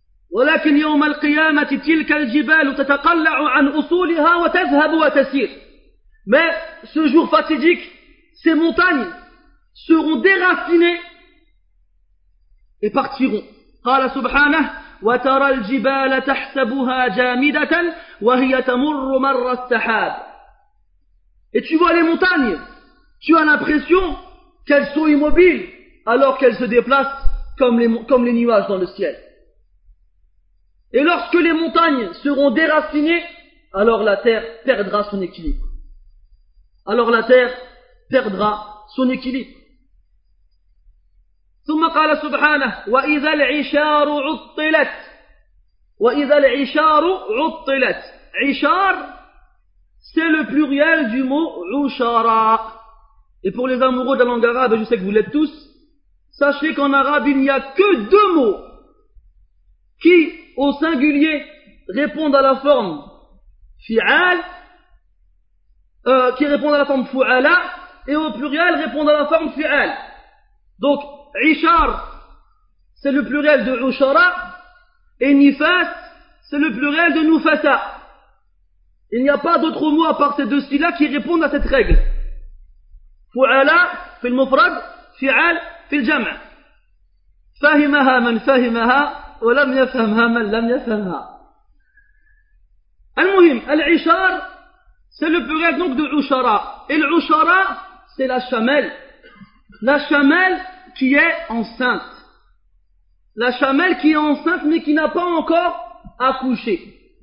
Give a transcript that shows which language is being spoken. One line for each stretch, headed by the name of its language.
Arabic: ولكن يوم القيامة تلك الجبال تتقلع عن أصولها وتذهب وتسير.
French: Mais ce jour fatidique, ces montagnes seront déracinées et partiront.
Arabic: قال سبحانه وترى الجبال تحسبها جامدة وهي تمر مر السحاب.
French: Et tu vois les montagnes, tu as l'impression qu'elles sont immobiles, alors qu'elles se déplacent comme les nuages dans le ciel. Et lorsque les montagnes seront déracinées, alors la terre perdra son équilibre. Alors la terre perdra son équilibre.
Arabic: ثم قال سبحانه وإذا العشار عطلت وإذا العشار عطلت.
French: عشار, c'est le pluriel du mot عشارا. Et pour les amoureux de la langue arabe, je sais que vous l'êtes tous, sachez qu'en arabe, il n'y a que deux mots qui, au singulier, répondent à la forme fi'al, qui répondent à la forme fu'ala, et au pluriel répondent à la forme fi'al. Donc, ishar, c'est le pluriel de ushara, et nifas, c'est le pluriel de nufasa. Il n'y a pas d'autres mots à part ces deux styles-là qui répondent à cette règle.
Arabic: فعلا في المفرد فعال في الجمع فهمها من فهمها ولم يفهمها من لم يفهمها. المهم العشار
French: c'est le pluriel donc de عشرة. Et العشرة c'est la chamelle qui est enceinte, la chamelle qui est enceinte mais qui n'a pas encore accouché.